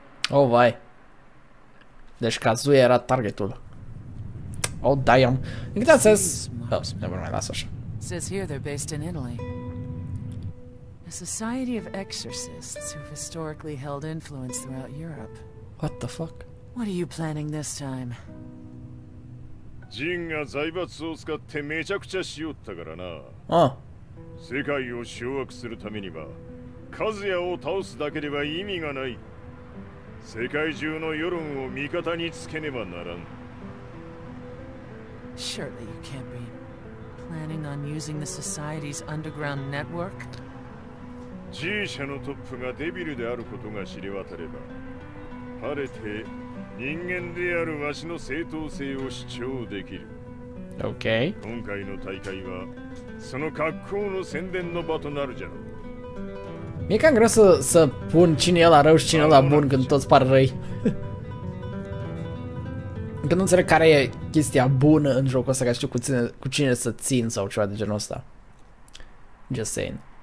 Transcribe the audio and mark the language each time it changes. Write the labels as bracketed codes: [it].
[ro] Oh, vai. Deci Kazuya era targetul. [en] Oh, damn. [ro] În câte am zis... [en] Oh, never mind, [ro] las-o așa. [en] Says here they're based in Italy. A society of exorcists who've historically held influence throughout Europe. What the fuck? What are you planning this time? [ja] Jin が財閥を使ってめちゃくちゃしよったからな。ああ。世界を掌握するためには、カズヤを倒すだけでは意味がない。世界中の世論を味方につけねばならん。 [en] Surely you can't be planning on using the society's underground network? [ja] G 社のトップがデビルであることが知れ渡れば、晴れて人間であるわしの正当性を主張できる。 [en] OK。 [ja] 今回の大会はその格好の宣伝の場となるじゃろう。 [ro] Mie cam greu să pun cine e ăla rău și cine e ăla bun când toți par răi. Încă nu înțeleg care e chestia bună în jocul ăsta, ca știu cu cine să țin sau ceva de genul ăsta. [en] Just saying.